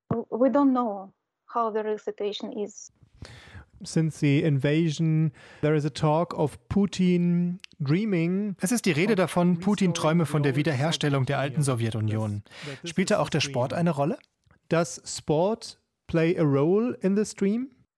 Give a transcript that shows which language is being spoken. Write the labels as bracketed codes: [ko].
[en] We don't know how the real situation is. Since the invasion, there is a talk of Putin dreaming. [de] Es ist die Rede davon, Putin träume von der Wiederherstellung der alten Sowjetunion. Spielt da auch der Sport eine Rolle? [en] Does sport play a role in this dream?